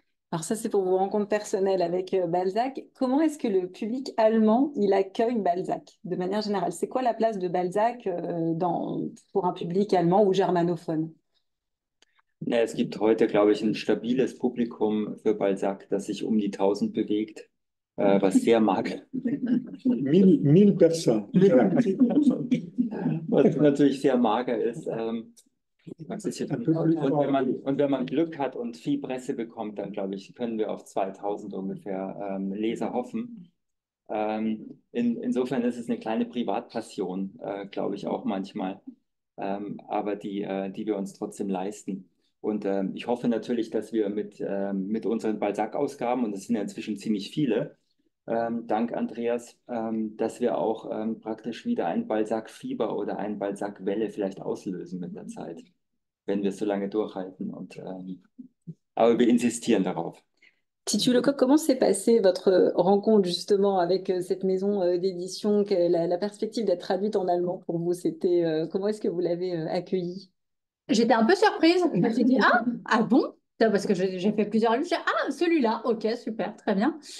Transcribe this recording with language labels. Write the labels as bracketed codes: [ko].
[fr] Alors ça, c'est pour vos rencontres personnelles avec Balzac. Comment est-ce que le public allemand, il accueille Balzac de manière générale? C'est quoi la place de Balzac pour un public allemand ou germanophone? [de] Es gibt heute, glaube ich, ein stabiles Publikum für Balzac, das sich um die 1000 bewegt, was sehr mag. [fr] 1000 personnes. [de] Was natürlich sehr mager ist. Das ist jetzt, und wenn man Glück hat und viel Presse bekommt, dann glaube ich, können wir auf 2000 ungefähr Leser hoffen. Insofern ist es eine kleine Privatpassion, glaube ich, auch manchmal, aber die wir uns trotzdem leisten. Und ich hoffe natürlich, dass wir mit unseren Balzac-Ausgaben, und das sind ja inzwischen ziemlich viele, dank Andreas, dass wir auch praktisch wieder ein Balzac-Fieber oder ein Balzac-Welle vielleicht auslösen mit der Zeit, wenn wir es so lange durchhalten. Aber wir insistieren darauf. [fr] Titu Lecoq, comment s'est passée votre rencontre justement avec cette maison d'édition? La perspective d'être traduite en allemand pour vous, comment est-ce que vous l'avez accueillie? J'étais un peu surprise. Je me suis dit, ah bon? Parce que j'ai fait plusieurs livres. Ah, celui-là, ok, super, très bien.